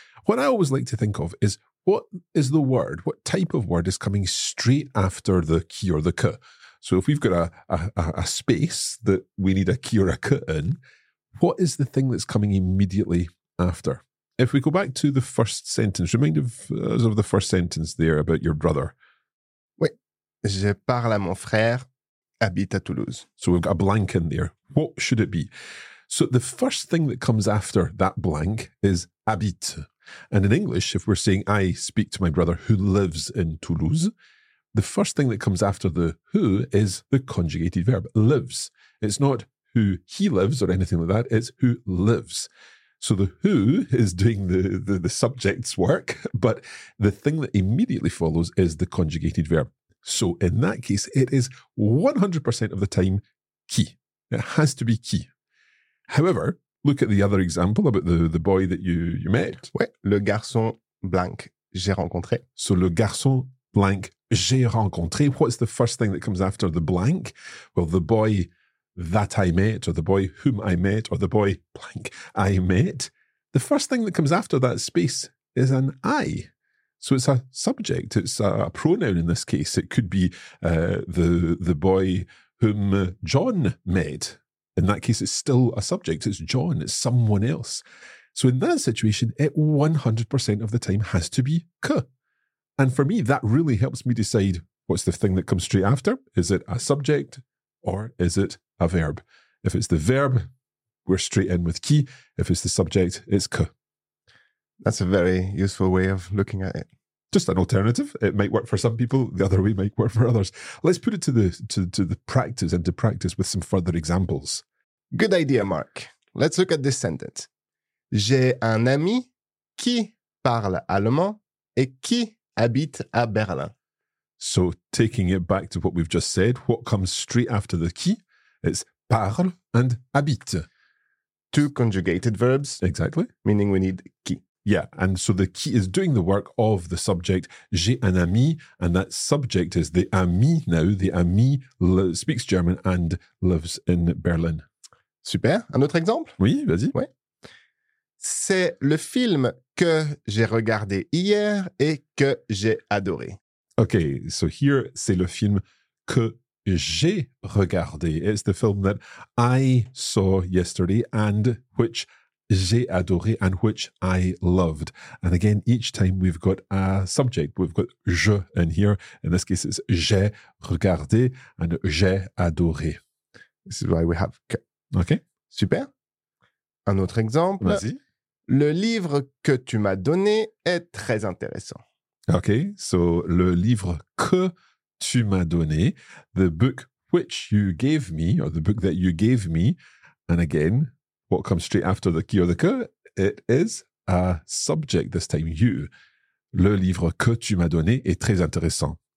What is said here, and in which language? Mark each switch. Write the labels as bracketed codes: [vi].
[en] What I always like to think of is, what is the word, what type of word is coming straight after the qui or the que? So if we've got a space that we need a qui or a que in, what is the thing that's coming immediately after? If we go back to the first sentence, remind us of the first sentence there about your brother. [fr] Oui, je parle à mon frère, habite à Toulouse. [en] So we've got a blank in there. What should it be? So the first thing that comes after that blank is habite. And in English, if we're saying I speak to my brother who lives in Toulouse, the first thing that comes after the who is the conjugated verb, lives. It's not who he lives or anything like that, it's who lives. So the who is doing the subject's work, but the thing that immediately follows is the conjugated verb. So in that case, it is 100% of the time qui. It has to be qui. However, look at the other example about the boy that you met. [fr] Oui, le garçon blank, j'ai rencontré. So le garçon blank, j'ai rencontré. [en] What's the first thing that comes after the blank? Well, the boy that I met, or the boy whom I met, or the boy blank I met, the first thing that comes after that space is an I. So it's a subject, it's a pronoun in this case. It could be the boy whom John met. In that case, it's still a subject. It's John, it's someone else. So in that situation, it 100% of the time has to be que. And for me, that really helps me decide, what's the thing that comes straight after? Is it a subject or is it a verb? If it's the verb, we're straight in with qui. If it's the subject, it's que. That's a very useful way of looking at it. Just an alternative. It might work for some people. The other way might work for others. Let's put it to practice with some further examples. Good idea, Mark. Let's look at this sentence. [fr] J'ai un ami qui parle allemand et qui habite à Berlin. [en] So taking it back to what we've just said, what comes straight after the qui? It's parle and habite. Two conjugated verbs. Exactly. Meaning we need qui. Yeah, and so the qui is doing the work of the subject, j'ai un ami, and that subject is the ami now. The ami speaks German and lives in Berlin. [fr] Super. Un autre exemple? Oui, vas-y. Ouais. C'est le film que j'ai regardé hier et que j'ai adoré. [en] Okay, so here, [fr] c'est le film que j'ai regardé. [en] It's the film that I saw yesterday and which [fr] j'ai adoré [en] and which I loved. And again, each time we've got a subject. We've got je in here. In this case, it's j'ai regardé and j'ai adoré. This is why we have que. Okay. [fr] Super. Un autre exemple. Vas-y. Le livre que tu m'as donné est très intéressant. [en] Okay, so [fr] le livre que tu m'as donné, [en] the book which you gave me, or the book that you gave me, and again, what comes straight after the qui or the que, it is a subject this time, you. [fr] Le livre que tu m'as donné est très intéressant.